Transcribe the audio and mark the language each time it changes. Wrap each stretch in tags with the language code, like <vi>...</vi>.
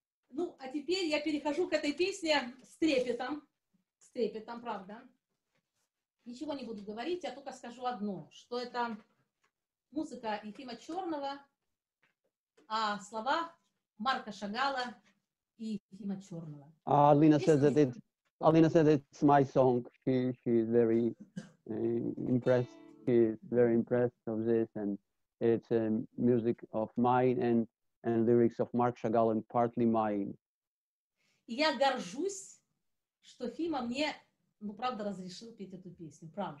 <ru>Ну, а теперь я перехожу к этой песне с трепетом, правда. Ничего не буду говорить, я только скажу одно, что это музыка Ефима Черного, а слова Марка Шагала и Ефима Черного.</ru> <en>Alina says that it, Alina says it's my song. She's very impressed. She's very impressed of this, and it's a music of mine and lyrics of Mark Chagall and partly mine.</en> <ru>И я горжусь, что Фима мне, ну, правда, разрешил петь эту песню, правда.</ru>